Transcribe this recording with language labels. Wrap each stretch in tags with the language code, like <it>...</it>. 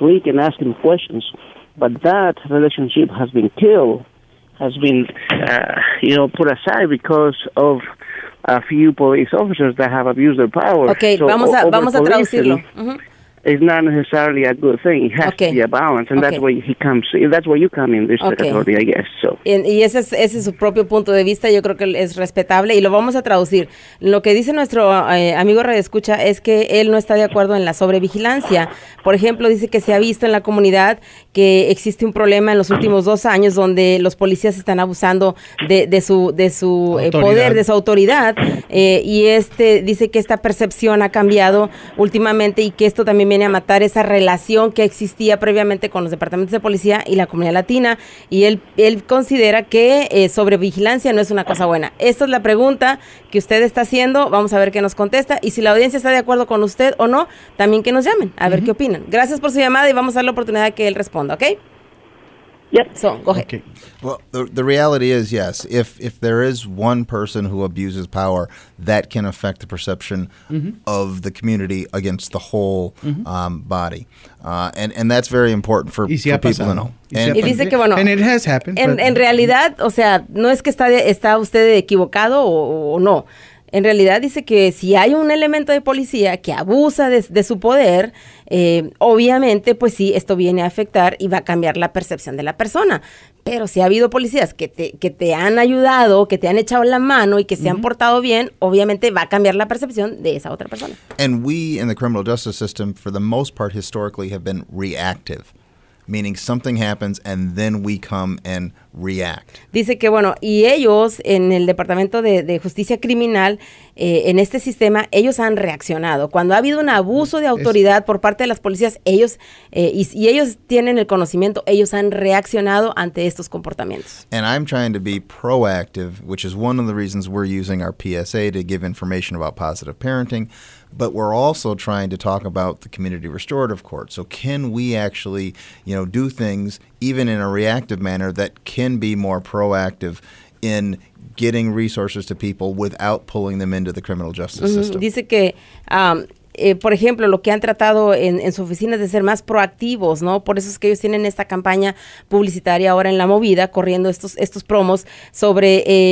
<en>We can ask them questions. But that relationship has been killed, has been, put aside because of a few police officers that have abused their power.</en> <es>Okay, so vamos a traducirlo. Uh-huh.</es> <en>It's not necessarily a good thing. It has to be a balance, and that's where he comes. That's where you come in this territory, I guess. So.</en> <es>Y ese es su propio punto de vista. Yo creo que es respetable y lo vamos a traducir. Lo que dice nuestro amigo radioescucha es que él no está de acuerdo en la sobrevigilancia. Por ejemplo, dice que se ha visto en la comunidad que existe un problema en los últimos 2 años donde los policías están abusando de su poder, de su autoridad, y dice que esta percepción ha cambiado últimamente y que esto también viene a matar esa relación que existía previamente con los departamentos de policía y la comunidad latina, y él considera que sobrevigilancia no es una cosa buena. Esta es la pregunta que usted está haciendo, vamos a ver qué nos contesta, y si la audiencia está de acuerdo con usted o no, también que nos llamen, a ver qué opinan. Gracias por su llamada y vamos a dar la oportunidad de que él responda.</es> <en>Okay. Well, the reality is, yes, if there is one person who abuses power, that can affect the perception of the community against the whole body. And that's very important for people to know.</en> <es>Y dice que, bueno,</es> <en>and it has happened.</en> <es>En realidad, o sea, no es que está usted equivocado o no. En realidad dice que si hay un elemento de policía que abusa de su poder, obviamente, pues sí, esto viene a afectar y va a cambiar la percepción de la persona. Pero si ha habido policías que te han ayudado, que te han echado la mano y que se han portado bien, obviamente va a cambiar la percepción de esa otra persona.</es> <en>And we in the criminal justice system, for the most part, historically have been reactive. Meaning something happens and then we come and react.</en> <es>Dice que, bueno, y ellos en el Departamento de Justicia Criminal, en este sistema, ellos han reaccionado. Cuando ha habido un abuso de autoridad por parte de las policías, ellos, y ellos tienen el conocimiento, ellos han reaccionado ante estos comportamientos.</es> <en>And I'm trying to be proactive, which is one of the reasons we're using our PSA to give information about positive parenting. But we're also trying to talk about the community restorative court. So can we actually, you know, do things even in a reactive manner that can be more proactive in getting resources to people without pulling them into the criminal justice system?</en> <es>Dice que, por ejemplo, lo que han tratado en su oficina es de ser más proactivos, ¿no? Por eso es que ellos tienen esta campaña publicitaria ahora en La Movida, corriendo estos promos sobre...</es>